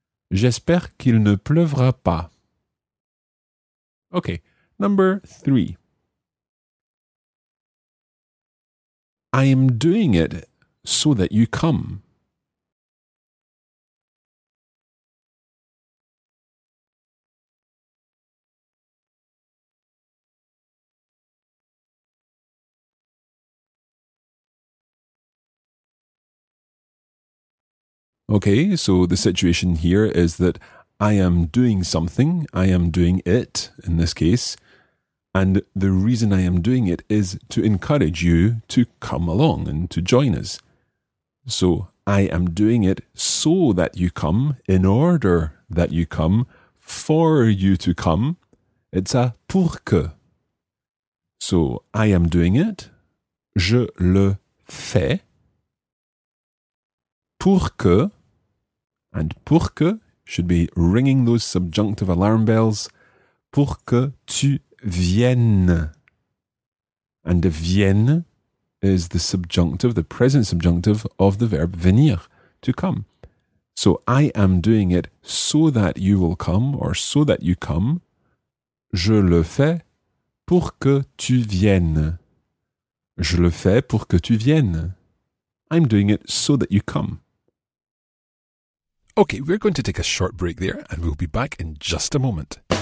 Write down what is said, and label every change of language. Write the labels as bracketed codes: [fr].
[fr] J'espère qu'il ne pleuvra pas. [en] Okay, number three. I am doing it so that you come. Okay, so the situation here is that I am doing something, I am doing it in this case, and the reason I am doing it is to encourage you to come along and to join us. So I am doing it so that you come, in order that you come, for you to come. It's a [fr] pour que. [en] So I am doing it, [fr] je le fais, pour que. [en] And [fr] pour que [en] should be ringing those subjunctive alarm bells. [fr] Pour que tu viennes. [en] And vienne is the subjunctive, the present subjunctive of the verb venir, to come. So I am doing it so that you will come, or so that you come. [fr] Je le fais pour que tu viennes. Je le fais pour que tu viennes. [en] I'm doing it so that you come. Okay, we're going to take a short break there, and we'll be back in just a moment.